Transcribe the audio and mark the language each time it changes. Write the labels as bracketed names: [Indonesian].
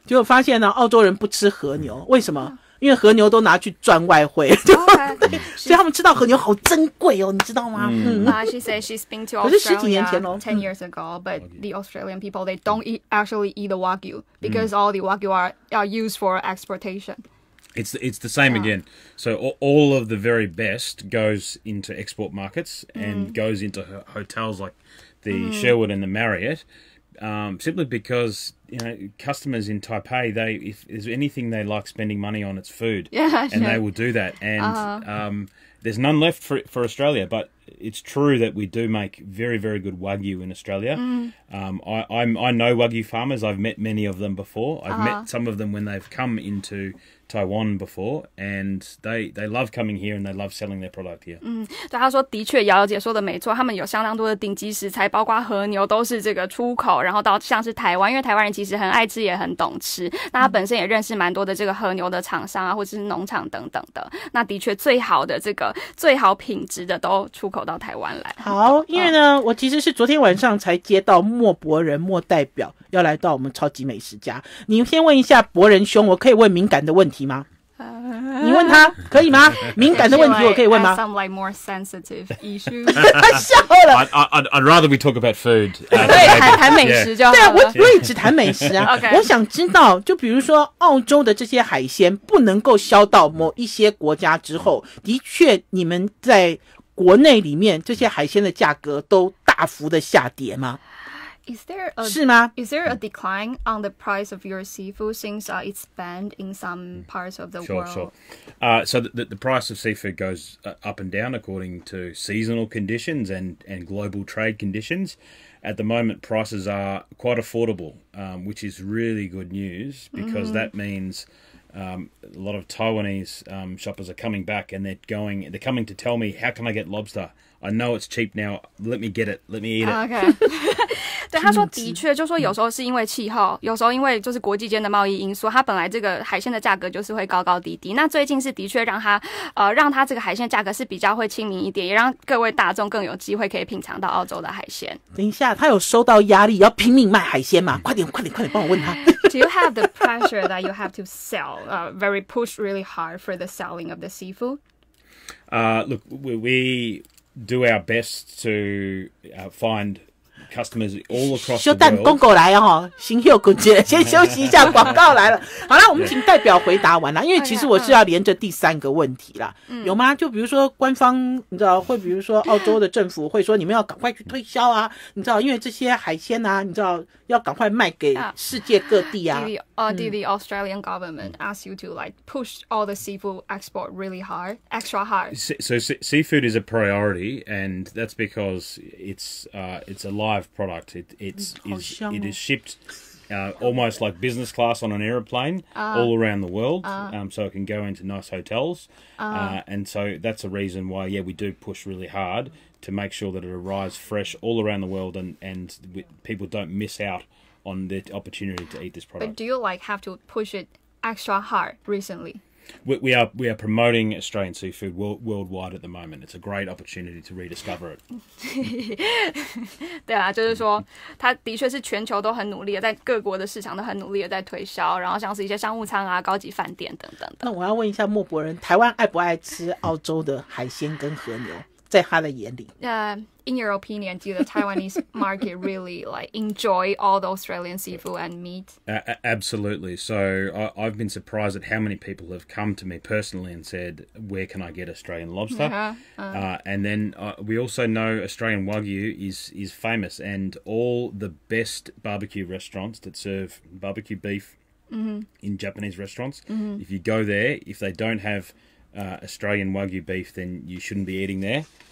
[Chinese] 结果发现呢，澳洲人不吃和牛，为什么？因为和牛都拿去赚外汇， [English] okay, [Chinese] 对，所以他们吃到和牛好珍贵哦，你知道吗？嗯、 [English] she said she's been to Australia 10 years ago, but the Australian people they don't actually eat the wagyu because all the wagyu are used for exportation. It's the same、yeah. again. So all of the very best goes into export markets and goes into hotels like the Sherwood and the Marriott. Simply because you know customers in Taipei, they if there's anything they like spending money on, it's food, yeah, and、sure. they will do that. And、there's none left for Australia. But it's true that we do make very very good wagyu in Australia.、 Mm. I know wagyu farmers. I've met many of them before. I've、uh-huh. met some of them when they've come into. Taiwan before, and they love coming here and they love selling their product here. [Chinese] 嗯，对，他说的确，姚小姐说的没错，他们有相当多的顶级食材，包括和牛都是这个出口，然后到像是台湾，因为台湾人其实很爱吃也很懂吃，那他本身也认识蛮多的这个和牛的厂商啊，或者是农场等等的。那的确，最好的这个最好品质的都出口到台湾来。好，因为呢、哦，我其实是昨天晚上才接到莫博仁莫代表要来到我们超级美食家，你先问一下博仁兄，我可以问敏感的问题。你问他可以吗？敏感的问题我可以问吗 [English] ？Some like more sensitive issues. [Chinese] 他笑了。 [English] I'd rather we talk about food. [Chinese] 对，谈美食就好了。对啊，我也只谈美食啊。 [English] Okay. [Chinese] 我想知道，就比如说澳洲的这些海鲜不能够销到某一些国家之后，的确，你们在国内里面这些海鲜的价格都大幅的下跌吗？ [English] Is there a, [Chinese] 是吗 [English] ？Is there a decline on the price of your seafood since it's banned in some parts of the sure, world? Sure, sure. So the price of seafood goes up and down according to seasonal conditions and global trade conditions. At the moment, prices are quite affordable, which is really good news because、mm-hmm. that means a lot of Taiwanese shoppers are coming back, and they're coming to tell me, how can I get lobster? I know it's cheap now. Let me get it. Let me eat it. Okay. [Chinese] 对，他说的确，就说有时候是因为气候，有时候因为就是国际间的贸易因素，它本来这个海鲜的价格就是会高高低低。那最近是的确让它这个海鲜价格是比较会亲民一点，也让各位大众更有机会可以品尝到澳洲的海鲜。等一下，他有收到压力要拼命卖海鲜吗？快点，快点，快点，帮我问他。 [English] Do you have the pressure that you have to sell, very push really hard for the selling of the seafood? Look, we do our best to find. Customers all across the world. [Chinese] 等公公来哦，行有公爵，先休息一下，广告来了。好了，我们请代表回答完了，因为其实我是要连着第三个问题啦。有吗？就比如说官方，你知道会，比如说澳洲的政府会说你们要赶快去推销啊，你知道，因为这些海鲜啊，你知道要赶快卖给世界各地啊。 [English] Did the Australian government ask you to like push all the seafood export really hard, extra hard? So seafood is a priority, and that's because it's a live product. It is shipped almost like business class on an aeroplane all around the world, so it can go into nice hotels. And so that's a reason why, yeah, we do push really hard to make sure that it arrives fresh all around the world and people don't miss out. On the opportunity to eat this product, but do you like have to push it extra hard recently? We are promoting Australian seafood worldwide at the moment. It's a great opportunity to rediscover it. [Chinese] 对啊，就是说，他的确是全球都很努力的，在各国的市场都很努力的在推销，然后像是一些商务舱啊、高级饭店等等的。那我要问一下莫博人，台湾爱不爱吃澳洲的海鲜跟和牛？在他的眼里， [English] In your opinion, do the Taiwanese market really like enjoy all the Australian seafood and meat? Absolutely. So I've been surprised at how many people have come to me personally and said, where can I get Australian lobster? And then we also know Australian Wagyu is famous, and all the best barbecue restaurants that serve barbecue beef in Japanese restaurants, if you go there, if they don't have Australian Wagyu beef, then you shouldn't be eating there.